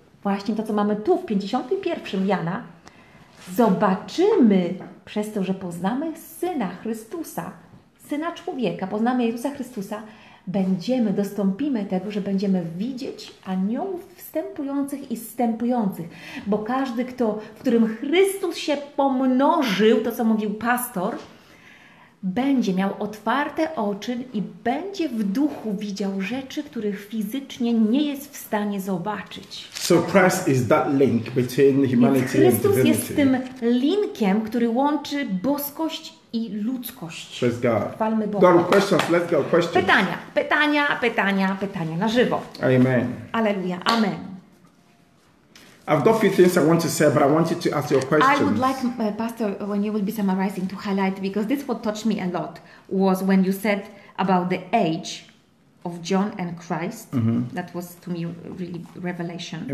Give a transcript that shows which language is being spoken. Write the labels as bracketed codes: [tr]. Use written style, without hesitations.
[pl] właśnie to, co mamy tu w 51 Jana, zobaczymy przez to, że poznamy Syna Chrystusa, Syna Człowieka, poznamy Jezusa Chrystusa, będziemy, dostąpimy tego, że będziemy widzieć aniołów wstępujących i zstępujących. Bo każdy, kto, w którym Chrystus się pomnożył, to co mówił pastor, będzie miał otwarte oczy i będzie w duchu widział rzeczy, których fizycznie nie jest w stanie zobaczyć. [en] So Christ is that link between humanity and divinity. [pl] Chrystus jest tym linkiem, który łączy boskość i ludzkość. [en] Praise God. [pl] Chwalmy Boga. [en] God, questions. Let's go. Questions. [pl] Pytania, pytania, pytania, pytania na żywo. Amen. Alleluja. Amen. [en] I've got a few things I want to say, but I wanted to ask you a question. I would like, Pastor, when you would be summarizing, to highlight, because this what touched me a lot was when you said about the age of John and Christ. Mm-hmm. That was to me really revelation.